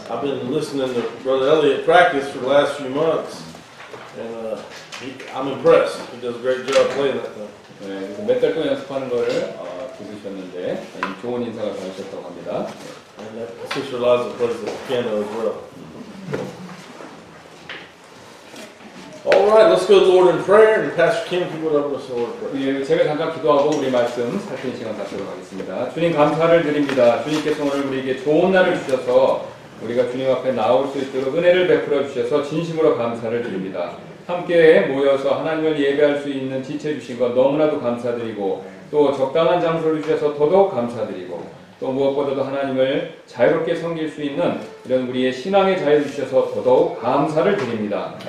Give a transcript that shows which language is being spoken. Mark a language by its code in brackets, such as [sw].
[en] I've been listening to Brother Elliot practice for the last few months, and I'm impressed. He does a great job playing that thing. [ko] 네, 그래서 몇 달 동안 연습하는 거를 들으셨는데 좋은 인사가 받으셨다고 합니다. [en] And that sister Liza plays the piano as well. Alright, let's go to the Lord in prayer, and Pastor Kim, if you would open us the Lord in prayer. [ko] 예, 제가 잠깐 기도하고 우리 말씀 살피는 시간 갖도록 하겠습니다. 주님 감사를 드립니다. 주님께서 오늘 우리에게 좋은 날을 주셔서 우리가 주님 앞에 나올 수 있도록 은혜를 베풀어 주셔서 진심으로 감사를 드립니다. 함께 모여서 하나님을 예배할 수 있는 지체 주신 것 너무나도 감사드리고 또 적당한 장소를 주셔서 더더욱 감사드리고 또 무엇보다도 하나님을 자유롭게 섬길 수 있는 이런 우리의 신앙의 자유를 주셔서 더더욱 감사를 드립니다.